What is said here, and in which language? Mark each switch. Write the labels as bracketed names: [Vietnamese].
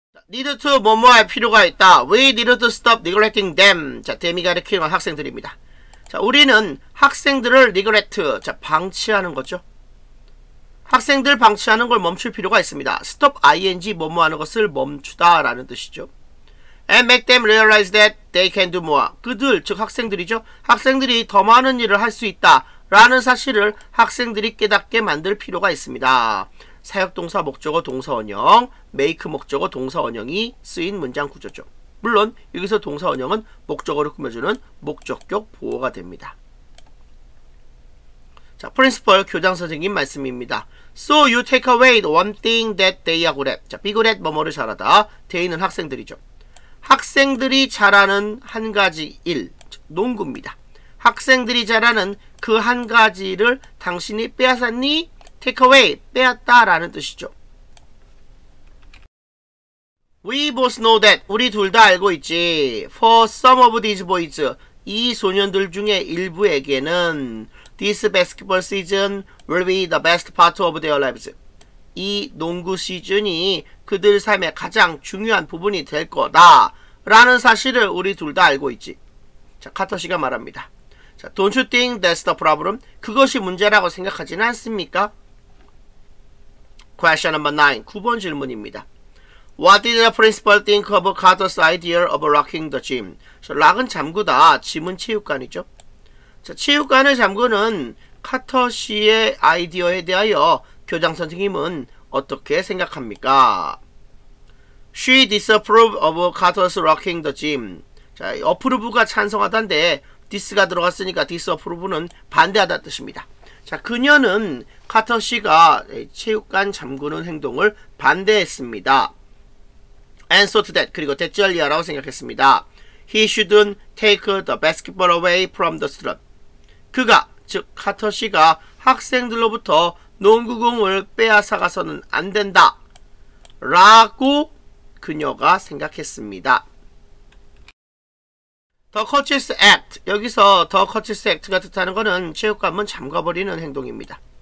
[English] Need to [Korean] 뭐뭐 할 필요가 있다. [English] We need to stop neglecting them. [Korean] 자, them이 가르치는 학생들입니다. 자, 우리는 학생들을 neglect, 자, 방치하는 거죠. 학생들 방치하는 걸 멈출 필요가 있습니다. stop ing 뭐뭐 하는 것을 멈추다 라는 뜻이죠. [English] And make them realize that they can do more. [Korean] 그들, 즉 학생들이죠. 학생들이 더 많은 일을 할 수 있다. 라는 사실을 학생들이 깨닫게 만들 필요가 있습니다. 사역동사 목적어 동사원형, make 목적어 동사원형이 쓰인 문장 구조죠. 물론 여기서 동사 원형은 목적어를 꾸며주는 목적격 보호가 됩니다. 자, 프린시펄 교장 선생님 말씀입니다. [English] So you take away the one thing that they are good at. [Korean] 자, be good at 뭐뭐를 잘하다. They는 학생들이죠. 학생들이 잘하는 한 가지 일, 농구입니다. 학생들이 잘하는 그 한 가지를 당신이 빼앗았니? Take away, 빼앗다 라는 뜻이죠. [English] We both know that, [Korean] 우리 둘 다 알고 있지. [English] For some of these boys, [Korean] 이 소년들 중에 일부에게는 [English] This basketball season will be the best part of their lives. [Korean] 이 농구 시즌이 그들 삶의 가장 중요한 부분이 될 거다 라는 사실을 우리 둘 다 알고 있지. 자, 카터 씨가 말합니다. 자, [English] don't you think that's the problem? [Korean] 그것이 문제라고 생각하지는 않습니까? [English] Question number 9, [Korean] 9번 질문입니다. [English] What did the principal think of Carter's idea of locking the gym? [Korean] 자, 락은 잠그다, 짐은 체육관이죠. 자, 체육관을 잠그는 카터 씨의 아이디어에 대하여 교장 선생님은 어떻게 생각합니까? [English] She disapproved of Carter's locking the gym. [Korean] 자, approve가 찬성하다인데 this가 들어갔으니까 disapprove는 반대하다는 뜻입니다. 자, 그녀는 카터 씨가 체육관 잠그는 행동을 반대했습니다. [English] And so to that, [Korean] 그리고 대절리아라고 생각했습니다. [English] He shouldn't take the basketball away from the student. [Korean] 그가, 즉 카터 씨가 학생들로부터 농구공을 빼앗아가서는 안 된다 라고 그녀가 생각했습니다. The Coaches Act, 여기서 The Coaches Act가 뜻하는 것은 체육관문 잠가버리는 행동입니다.